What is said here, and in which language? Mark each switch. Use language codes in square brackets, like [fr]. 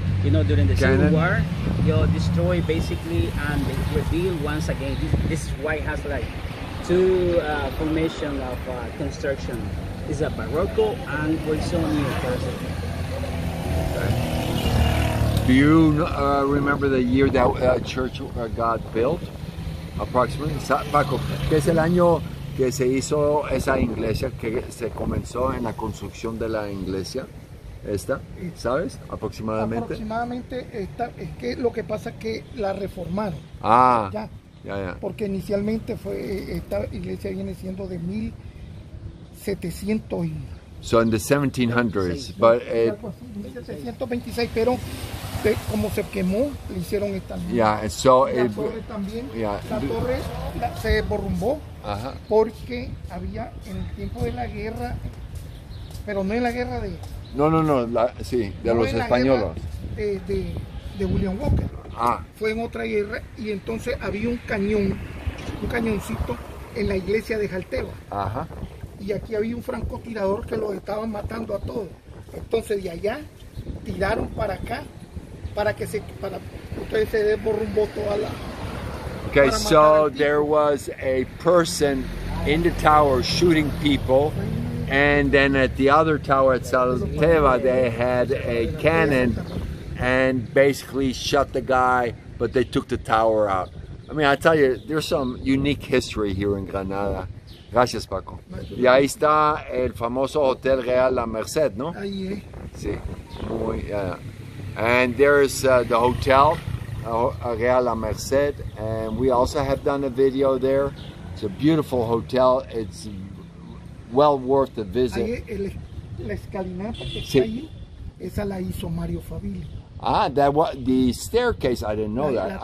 [en] You know, during the Civil War, you know, destroy basically and rebuild once again. This is why it has like two formation of construction. Is a Barocco and Bolsonaro person. Do you remember the year that church got built? Approximately. [es] Paco, ¿qué es el año que se hizo esa iglesia, que se comenzó en la construcción de la iglesia? Esta, ¿sabes? Aproximadamente. Aproximadamente, esta, es que lo que pasa es que la reformaron. Ah, ya. Ya, ya. Porque inicialmente fue, esta iglesia viene siendo de 1700. [en] So in the 1700s, sí, but... [es] 1726, pero... como se quemó, le hicieron esta misma. [en] Yeah, and so [es] la it, torre también, la torre se derrumbó porque había en el tiempo de la guerra, pero no en la guerra de... No, los españoles. De William Walker. Fue en otra guerra y entonces había un cañón, un cañoncito en la iglesia de Xalteva. Y aquí había un francotirador que los estaba matando a todos. Entonces de allá tiraron para acá. [en] Okay, so there was a person in the tower shooting people, and then at the other tower at Xalteva, they had a cannon and basically shot the guy, but they took the tower out. I mean, I tell you, there's some unique history here in Granada. [es] Gracias, Paco. Y ahí está el famoso Hotel Real La Merced, ¿no? Ahí, Sí. [en] Muy, and there's the hotel, Real La Merced, and we also have done a video there. It's a beautiful hotel. It's well worth the visit. The staircase, I didn't know that.